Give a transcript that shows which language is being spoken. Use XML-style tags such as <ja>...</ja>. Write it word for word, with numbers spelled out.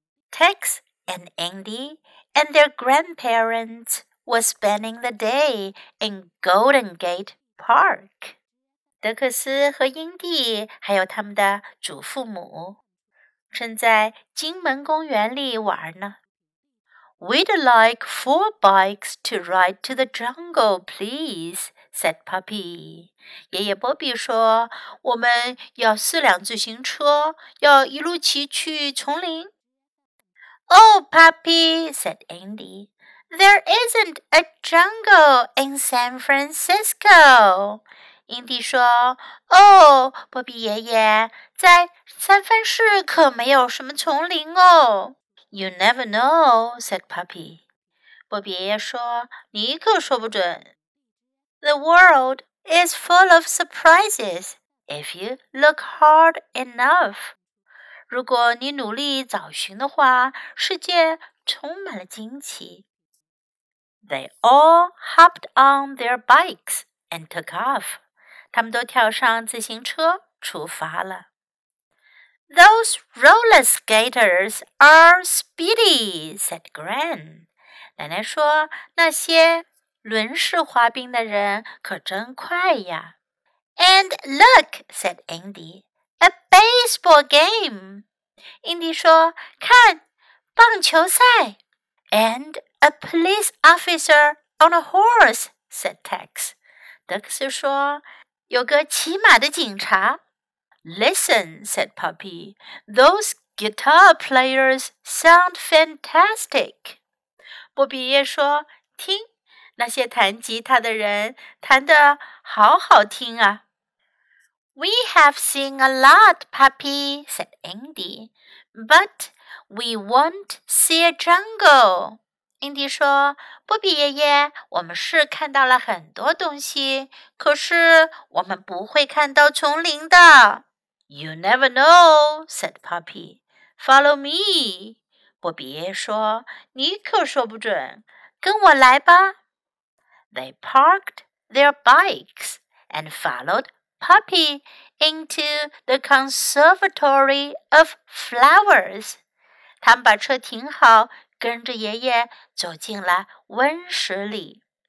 <en>Tex and Andy and their grandparents were spending the day in Golden Gate Park.</en> <zh>德克斯和英弟还有他们的祖父母正在金门公园里玩呢。</zh> <en>We'd like four bikes to ride to the jungle, please, said Puppy.</en> <zh>爷爷波比说，我们要四辆自行车，要一路骑去丛林。</zh> <en>Oh, Puppy, said Andy, there isn't a jungle in San Francisco.</en> <zh>英弟说，哦，波比爷爷，在三藩市可没有什么丛林哦。</zh> <en>You never know, said Puppy.</en> <zh>波比爷爷说，你可说不准。</zh> <en>The world is full of surprises if you look hard enough.</en> <zh>如果你努力找寻的话，世界充满了惊奇。</zh> <en>They all hopped on their bikes and took off.</en> <zh>他们都跳上自行车出发了。</zh> <en>Those roller skaters are speedy, said Gran.</en> <zh>奶奶说，那些轮式滑冰的人可真快呀。</zh> <en>And look, said Andy, a baseball game.</en> <zh>Andy 说，看，棒球赛。</zh> <en>And a police officer on a horse, said Tex.</en> <zh>德克斯说，有个骑马的警察。</zh> <en>Listen, said Puppy, those guitar players sound fantastic.</en> <zh>波比爷说，听，那些弹吉他的人弹得好好听啊。</zh> <en>We have seen a lot, Puppy, said Andy, but we won't see a jungle.</en> <zh>Andy 说，波比爷爷，我们是看到了很多东西，可是我们不会看到丛林的。</zh> <en>You never know, said Puppy. Follow me.</en> <zh>波比爷说，你可说不准，跟我来吧。</zh> <en>They parked their bikes and followed Puppy into the Conservatory of Flowers.</en> <zh>他们把车停好，跟着爷爷走进了温室里。</zh>